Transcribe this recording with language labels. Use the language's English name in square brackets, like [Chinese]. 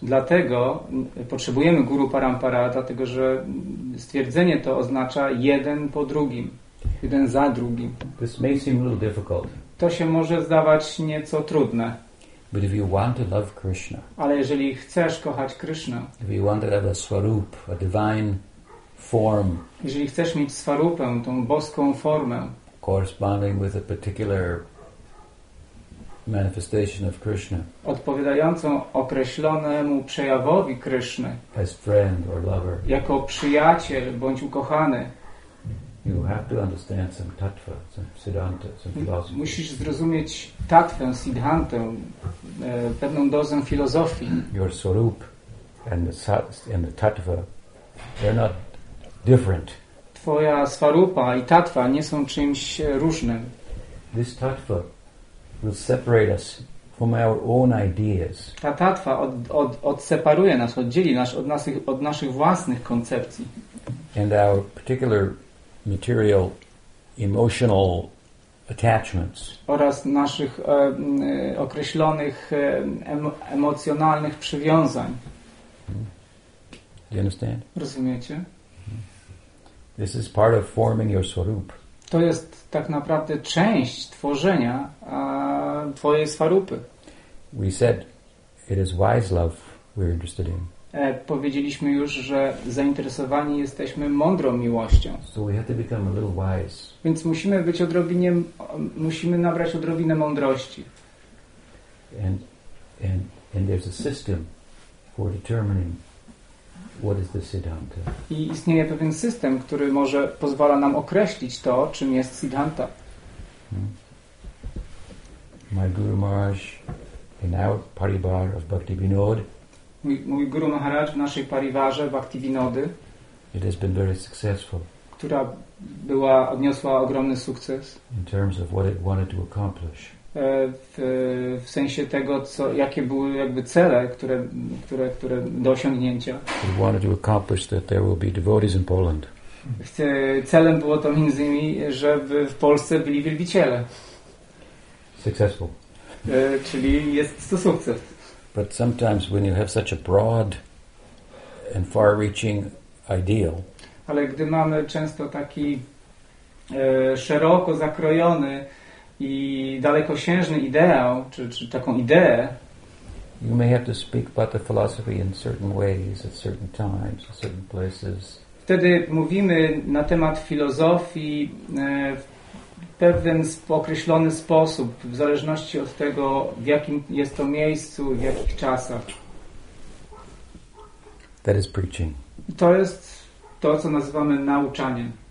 [Polish] Dlatego potrzebujemy Guru Parampara, dlatego że stwierdzenie to oznacza jeden po drugim, jeden za drugim. [English] This may seem a little difficult. [Polish] To się może zdawać nieco trudne. [English] But if you want to love Krishna, [Polish] ale jeżeli chcesz kochać Krishna, [English] if you want to have a swarup, a divine form, [Polish] jeżeli chcesz mieć swarupę, tą boską formę, [English] corresponding with a particular manifestation of Krishna, [Polish] odpowiadającą określonemu przejawowi Krishna, [English] as friend or lover, [Polish] jako przyjaciel bądź ukochany, [English] you have to understand some tattva, some siddhanta, some philosophy. [Polish] Musisz zrozumieć tattwę, siddhantę, pewną dozę filozofii. [English] Your swarup and the tattva, they're not different. [Polish] Twoja swarupa i tattva nie są czymś różnym. [English] This tattva will separate us from our own ideas. [Polish] Ta tattva odseparuje nas, oddzieli nas od naszych własnych koncepcji. [English] And our particular material, emotional attachments. [Polish] Oraz naszych określonych emocjonalnych przywiązań. [English] Do you understand? [Polish] Rozumiecie? [English] This is part of forming your swarup. [Polish] To jest tak naprawdę część tworzenia twojej swarupy. [English] We said it is wise love we're interested in. [Polish] Powiedzieliśmy już, że zainteresowani jesteśmy mądrą miłością. [English] So we have to become a little wise. [Polish] Więc musimy być odrobinę, musimy nabrać odrobinę mądrości. [English] And there's a system for determining what is the Siddhanta. [Polish] I istnieje pewien system, który może pozwala nam określić to, czym jest Siddhanta. [English] My Guru Maharaj in our Paribar of Bhakti Vinod. [Polish] Mój Guru Maharaj w naszej Pariwarze, Bhaktivinody, [English] it has been very successful, [Polish] która była, odniosła ogromny sukces [English] in terms of what it wanted to accomplish. [Polish] W sensie tego, co, jakie były jakby cele, które do osiągnięcia. [English] It wanted to accomplish that there will be devotees in Poland. [Polish] Celem było to między innymi, żeby w Polsce byli wielbiciele. [English] Successful. [Polish] Czyli jest to sukces. [English] But sometimes when you have such a broad and far-reaching ideal, [Polish] ale gdy mamy często taki szeroko zakrojony i dalekosiężny ideał, czy taką ideę, [English] you may have to speak about the philosophy in certain ways, at certain times, at certain places. [Polish] Wtedy mówimy na temat filozofii w pewien określony sposób, w zależności od tego, w jakim jest to miejscu, w jakich czasach. [English] That is preaching. [Polish] To jest to, co nazywamy nauczaniem.